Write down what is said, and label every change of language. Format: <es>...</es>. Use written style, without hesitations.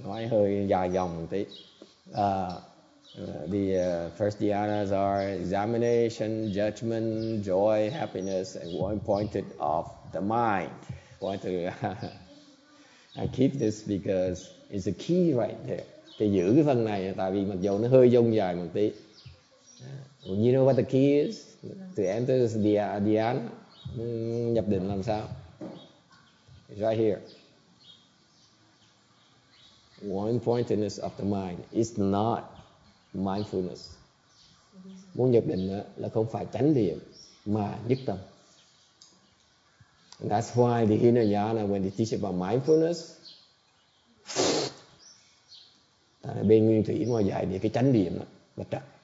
<en>I heard ya yong a bit. The first dhyanas are examination, judgment, joy, happiness, and one pointed of the mind. I keep this because it's a key right there.</en> <vi>Thì giữ cái phần này tại vì mặc dù nó hơi dông dài một tí.</vi> <en>You know what the key is? To enter the dhyana,</en> <vi>nhập định làm sao?</vi> <en>It's right here. One pointedness of the mind is not mindfulness.</en> <vi>Muốn nhập định đó, là không phải chánh niệm mà nhất tâm.</vi> <en>And that's why the Hinayana, when they teach about mindfulness,</en> <vi>bên nguyên thủy ngoài dạy về cái chánh niệm là trật.</vi>